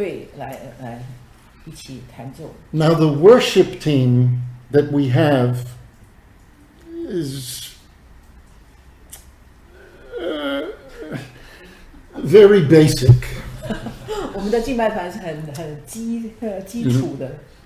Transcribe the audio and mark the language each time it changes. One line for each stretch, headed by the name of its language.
Chinese: 那他就开始跟这个团队来一起弹奏。
English: Now the worship team that we have is very basic.
Chinese: 我们的敬拜团是很基础的。